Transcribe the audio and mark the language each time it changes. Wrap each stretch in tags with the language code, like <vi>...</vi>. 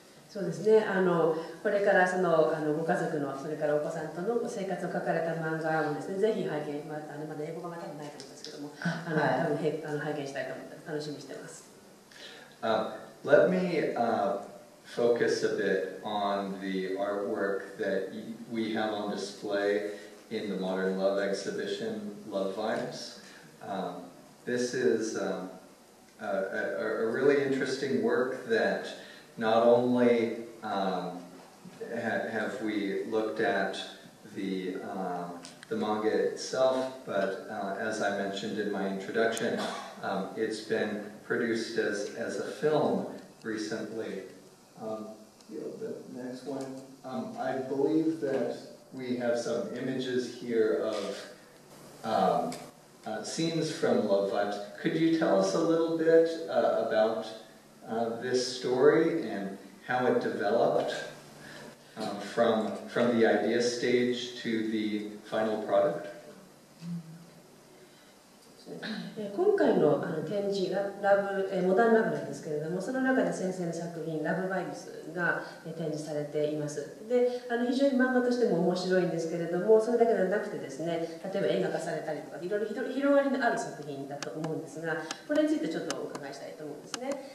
<ja>そうですね、これからあのご家族の、それからお子さんとの生活を描かれた漫画もですね、ぜひ拝見、まだ英語版は多分ないと思いますけども、多分拝見したいと思って楽しみにしています。</ja> <en>Let me focus a bit on the artwork that we have on display in the Modern Love exhibition, Love Vibes. This is a really interesting work that not only have we looked at the manga itself, but as I mentioned in my introduction, it's been produced as a film recently. The next one. I believe that we have some images here of scenes from Love Vibes. Could you tell us a little bit about this story and how it developed from the idea stage to the final product?</en> <ja>今回 の, あの展示ラブ、モダンラブなんですけれども、その中で先生の作品ラブバイブスが展示されています。で、非常に漫画としても面白いんですけれども、それだけではなくてですね、例えば映画化されたりとか、いろいろ広がりのある作品だと思うんですが、これについてちょっとお伺いしたいと思うんですね。</ja>